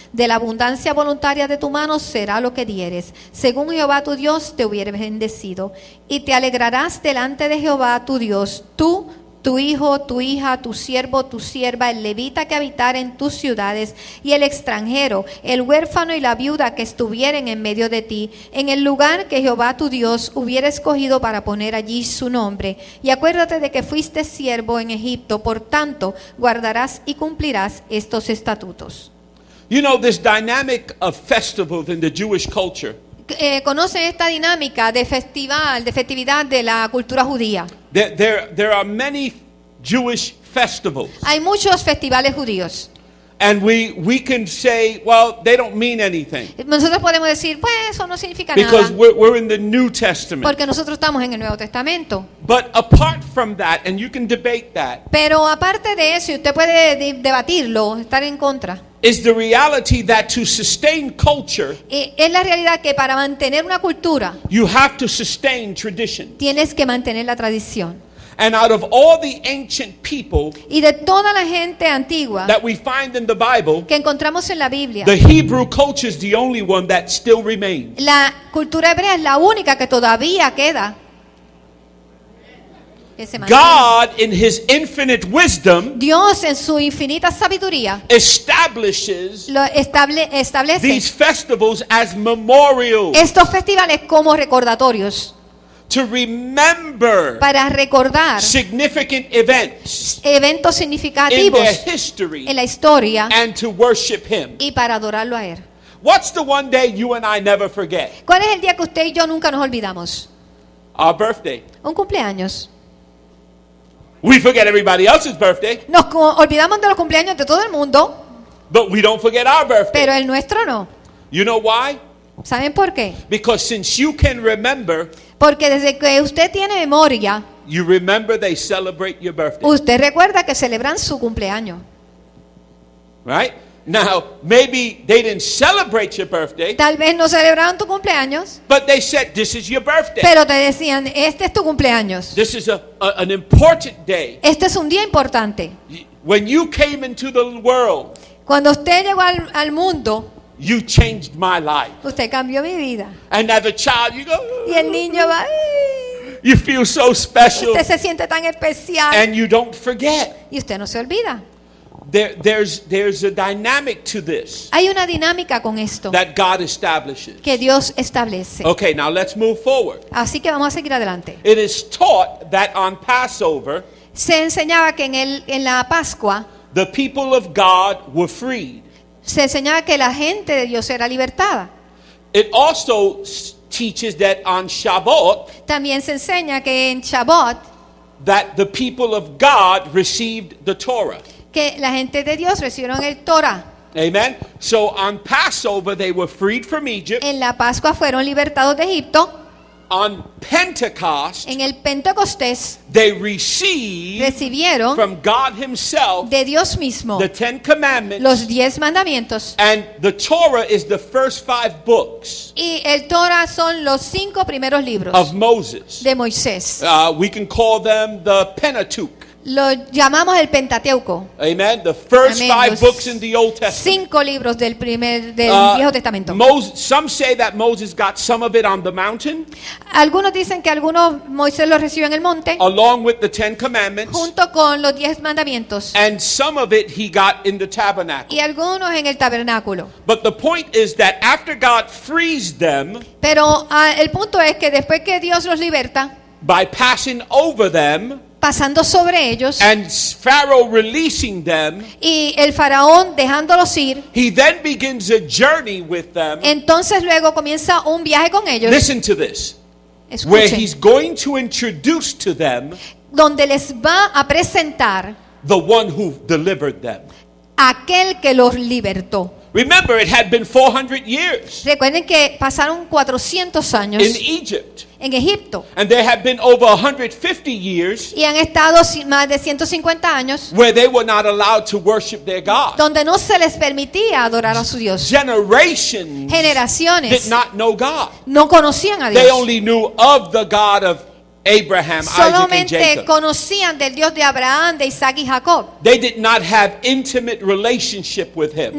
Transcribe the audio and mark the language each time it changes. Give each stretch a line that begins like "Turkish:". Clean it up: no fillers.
Spanish: De la abundancia voluntaria de tu mano será lo que dieres, según Jehová tu Dios te hubiere bendecido, y te alegrarás delante de Jehová tu Dios, tú, tu hijo, tu hija, tu siervo, tu sierva, el levita que habitare en tus ciudades, y el extranjero, el huérfano y la viuda que estuvieren en medio de ti, en el lugar que Jehová tu Dios hubiera escogido para poner allí su nombre. Y acuérdate de que fuiste siervo en Egipto, por tanto, guardarás y cumplirás estos estatutos.
English: You know, this dynamic of festivals in the Jewish culture.
Spanish: ¿Conoce esta dinámica de festival, de festividad de la cultura judía?
English: There are many Jewish festivals.
Spanish: Hay muchos festivales judíos.
English: And we can say, well, they don't mean anything.
Spanish: Nosotros podemos decir, pues, eso no significa nada.
English: Because we're in the New Testament.
Spanish: Porque nosotros estamos en el Nuevo Testamento.
English: But apart from that, and you can debate that.
Spanish: Pero aparte de eso, usted puede debatirlo, estar en contra.
English: Is the reality that to sustain culture,
Spanish: es la realidad que para mantener una cultura,
English: you have to sustain tradition.
Spanish: Tienes que mantener la tradición.
English: And out of all the ancient people,
Spanish: y de toda la gente antigua,
English: that we find in the Bible,
Spanish: que encontramos en la Biblia,
English: the Hebrew culture is the only one that still remains.
Spanish: La cultura hebrea es la única que todavía queda.
English: God, in His infinite wisdom,
Spanish: Dios en su infinita sabiduría,
English: establishes
Spanish: establece
English: these festivals as memorials.
Spanish: Estos festivales como recordatorios.
English: To remember,
Spanish: para recordar,
English: significant events,
Spanish: eventos significativos,
English: in their history,
Spanish: en la historia,
English: and to worship Him,
Spanish: y para adorarlo a él.
English: What's the one day you and I never forget?
Spanish: ¿Cuál es el día que usted y yo nunca nos olvidamos?
English: Our birthday.
Spanish: Un cumpleaños.
English: We forget everybody else's birthday.
Spanish: Nos olvidamos de los cumpleaños de todo el mundo.
English: But we don't forget our birthday.
Spanish: Pero el nuestro no.
English: You know why?
Spanish: ¿Saben por qué?
English: Because since you can remember.
Spanish: Porque desde que usted tiene memoria,
English: you remember they celebrate your birthday.
Spanish: Usted recuerda que celebran su cumpleaños.
English: Right? Now, maybe they didn't celebrate your birthday.
Spanish: Tal vez no celebraron tu cumpleaños.
English: But they said, this is your birthday.
Spanish: Pero te decían, este es tu cumpleaños.
English: This is an important day.
Spanish: Este es un día importante.
English: When you came into the world,
Spanish: cuando usted llegó al mundo,
English: you changed my life.
Spanish: Usted cambió mi vida.
English: And as a child, you go.
Spanish: Y el niño va.
English: You feel so special.
Spanish: Usted se siente tan especial.
English: And you don't forget.
Spanish: Y usted no se olvida.
English: There's a dynamic to this.
Spanish: Hay una dinámica con esto.
English: That God establishes.
Spanish: Que Dios establece.
English: Okay, now let's move forward.
Spanish: Así que vamos a seguir adelante.
English: It is taught that on Passover.
Spanish: Se enseñaba que en la Pascua.
English: The people of God were freed.
Spanish: Se enseñaba que la gente de Dios era libertada.
English: It also teaches that on Shabbat,
Spanish: también se enseña que en Shabbat,
English: that the people of God received the Torah.
Spanish: Que la gente de Dios recibieron el Torah.
English: Amen. So on Passover they were freed from Egypt.
Spanish: En la Pascua fueron libertados de Egipto.
English: On Pentecost,
Spanish: en el Pentecostés,
English: they received,
Spanish: recibieron
English: from God himself,
Spanish: de Dios mismo,
English: the Ten Commandments,
Spanish: los 10 mandamientos,
English: and the Torah is the first 5 books,
Spanish: y el Torah son los 5 primeros libros,
English: of Moses,
Spanish: de Moisés.
English: We can call them the Pentateuch.
Spanish: Lo llamamos el Pentateuco.
English: Amen. The first Amen. 5 books in the Old Testament.
Spanish: 5 libros del Viejo Testamento.
English: Some say that Moses got some of it on the mountain.
Spanish: Algunos dicen que Moisés lo recibió en el monte.
English: Along with the Ten Commandments.
Spanish: Junto con los 10 mandamientos.
English: And some of it he got in the tabernacle.
Spanish: Y algunos en el tabernáculo.
English: But the point is that after God frees them.
Spanish: Pero el punto es que después que Dios los liberta.
English: By passing over them.
Spanish: Pasando sobre ellos,
English: and Pharaoh releasing them,
Spanish: y el faraón dejándolos ir,
English: he then begins a journey with them,
Spanish: entonces luego comienza un viaje con ellos.
English: Listen to this.
Spanish: Escuchen.
English: Where he's going to introduce to them,
Spanish: donde les va a presentar,
English: the one who delivered them,
Spanish: aquel que los libertó.
English: Remember, it had been 400 years.
Spanish: Recuerden que pasaron 400 años.
English: In Egypt.
Spanish: En Egipto.
English: And there had been over 150 years.
Spanish: Y han estado más de 150 años.
English: Where they were not allowed to worship their God.
Spanish: Donde no se les permitía adorar a su Dios. Generaciones.
English: Did not know God.
Spanish: No conocían a Dios.
English: They only knew of the God of Abraham, Isaac, and Jacob.
Spanish: Solamente conocían del Dios de Abraham, de Isaac y Jacob.
English: They did not have intimate relationship with him.